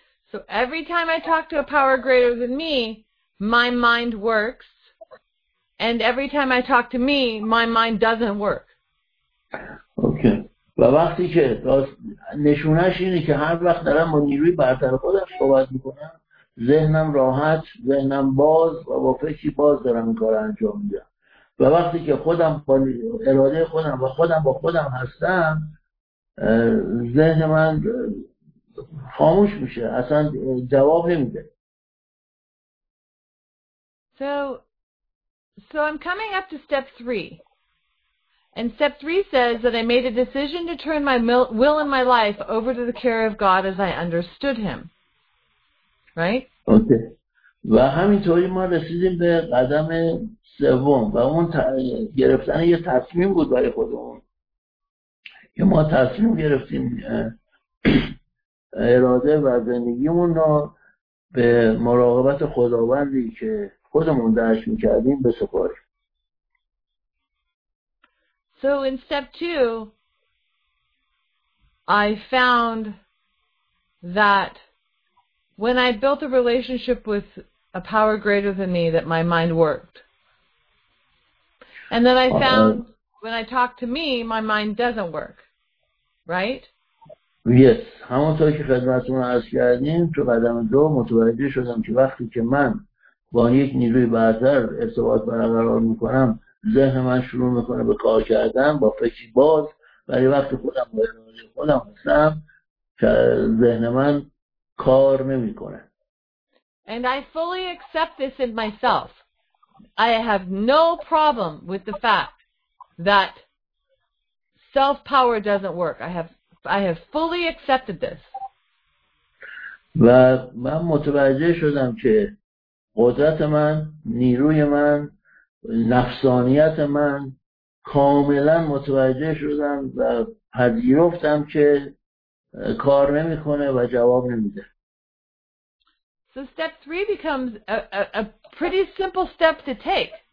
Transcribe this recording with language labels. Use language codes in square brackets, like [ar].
[en] So every time I talk to a power greater than me, my mind works. And every time I talk to me, my mind doesn't work. Okay. [fa] و وقتی که نشونش اینه که هر وقت دارم با نیروی برتر خودم صحبت میکنم، ذهنم راحت، ذهنم باز و با فکری باز دارم این کار انجام میدم. و وقتی که خودم با اراده خودم و خودم با خودم هستم، ذهن من خاموش میشه، اصلا جواب نمیده. [en] So I'm coming up to step three. And step three says that I made a decision to turn my will and my life over to the care of God as I understood him. Right? Okay. [fa] و همینطوری ما رسیدیم به قدم سوم و اون گرفتن یه تصمیم بود برای خودمون. که ما تصمیم گرفتیم اراده و زندگیمون رو به مراقبت خداوندی که خودمون درش میکردیم بسپاریم. [en] So in step two, I found that when I built a relationship with a power greater than me, that my mind worked. And then I found when I talk to me, my mind doesn't work. Right? Yes. [fa] همونطور که خدمتتون عرض کردیم، تو قدم دو متوجه شدم که وقتی که من با یک نیروی برتر ارتباط برقرار میکنم، ذهن من شروع میکنه به کار کردن با فکری باز، ولی وقتی خودم با اراده خودم هستم که ذهن من کار نمیکنه. [en] And I fully accept this in myself. I have no problem with the fact that self-power doesn't work. I have fully accepted this. [fa] و من متوجه شدم که قدرت من، نیروی من، نفسانیت من کاملا متوجه شدم و پذیرفتم که کار نمیکنه و جواب نمیده. [en] So step three becomes a pretty simple step to take.